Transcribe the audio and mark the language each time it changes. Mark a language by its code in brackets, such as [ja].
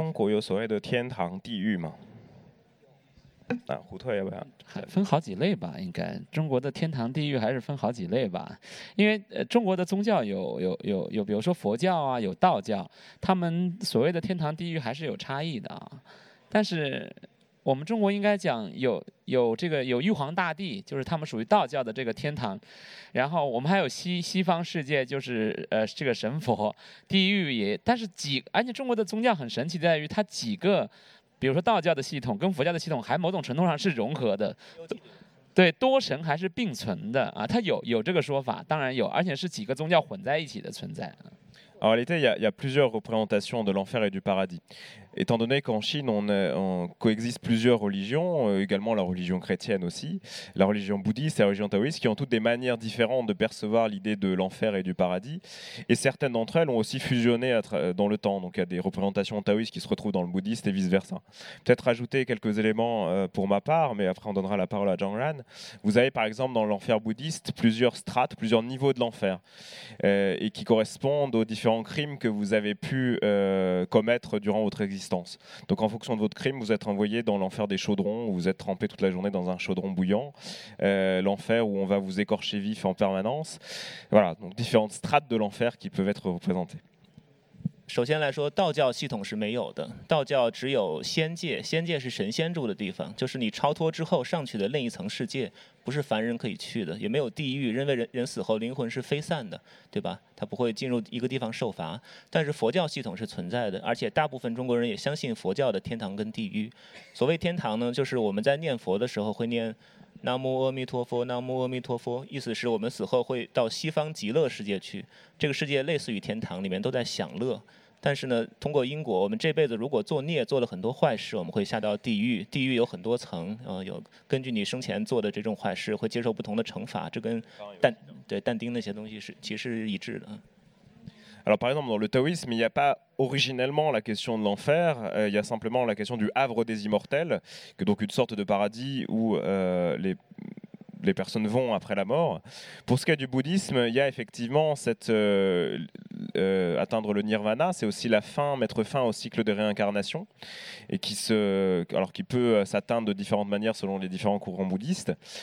[fr] évoquer le paradis et l'enfer. [zh] 分好几类吧，应该中国的天堂地狱还是分好几类吧，因为中国的宗教有比如说佛教啊，有道教，他们所谓的天堂地狱还是有差异的啊。但是我们中国应该讲有这个有玉皇大帝，就是他们属于道教的这个天堂，然后我们还有西方世界，就是这个神佛地狱也，但是而且中国的宗教很神奇在于它几个，比如说道教的系统跟佛教的系统还某种程度上是融合的，对，多神还是并存的啊，它有这个说法，当然有，而且是几个宗教混在一起的存在。 [fr] En réalité, il y a plusieurs représentations de l'enfer et du paradis. Étant donné qu'en Chine, on coexiste plusieurs religions, également la religion chrétienne aussi, la religion bouddhiste et la religion taoïste, qui ont toutes des manières différentes de percevoir l'idée de l'enfer et du paradis. Et certaines d'entre elles ont aussi fusionné dans le temps. Donc il y a des représentations taoïstes qui se retrouvent dans le bouddhiste et vice-versa. Peut-être ajouter quelques éléments pour ma part, mais après on donnera la parole à Zhang Ran. Vous avez par exemple dans l'enfer bouddhiste plusieurs strates, plusieurs niveaux de l'enfer, et qui correspondent aux différents crimes que vous avez pu commettre durant votre existence. Donc en fonction de votre crime, vous êtes envoyé dans l'enfer des chaudrons, où vous êtes trempé toute la journée dans un chaudron bouillant, l'enfer où on va vous écorcher vif en permanence. Voilà, donc différentes strates de l'enfer qui peuvent être représentées. [zh] 首先来说，道教系统是没有的，道教只有仙界，仙界是神仙住的地方，就是你超脱之后上去的另一层世界，不是凡人可以去的，也没有地狱，认为人死后灵魂是飞散的，对吧？他不会进入一个地方受罚。但是佛教系统是存在的，而且大部分中国人也相信佛教的天堂跟地狱。所谓天堂呢，就是我们在念佛的时候会念南无阿弥陀佛，南无阿弥陀佛，意思是我们死后会到西方极乐世界去，这个世界类似于天堂，里面都在享乐，但是呢，通过因果，我们这辈子如果作孽做了很多坏事，我们会下到地狱，地狱有很多层，有根据你生前做的这种坏事会接受不同的惩罚，这跟但丁那些东西是其实是一致的。 [fr] Alors par exemple dans le taoïsme, il n'y a pas originellement la question de l'enfer, il y a simplement la question du havre des immortels, qui est donc une sorte de paradis où les personnes vont après la mort. Pour ce qui est du bouddhisme, il y a effectivement cette atteindre le nirvana, c'est aussi la fin, mettre fin au cycle de réincarnation, et qui peut s'atteindre de différentes manières selon les différents courants bouddhistes.